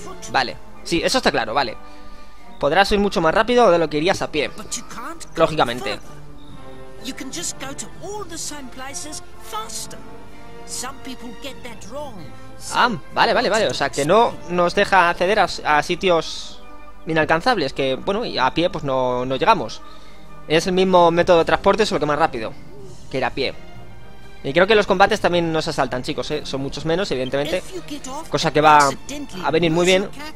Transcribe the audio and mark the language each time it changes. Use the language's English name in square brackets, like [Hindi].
[Spanish] Vale, sí, eso está claro, vale. Podrás ir mucho más rápido de lo que irías a pie. Lógicamente. [English] You can just go to all the same places faster. Some people get that wrong. [Spanish] Ah, vale. O sea, que no nos deja acceder a sitios inalcanzables, que bueno, y a pie pues no llegamos. Es el mismo método de transporte, solo que más rápido que ir a pie. Y creo que los combates también nos asaltan, chicos, ¿eh? Son muchos menos, evidentemente, cosa que va a venir muy bien.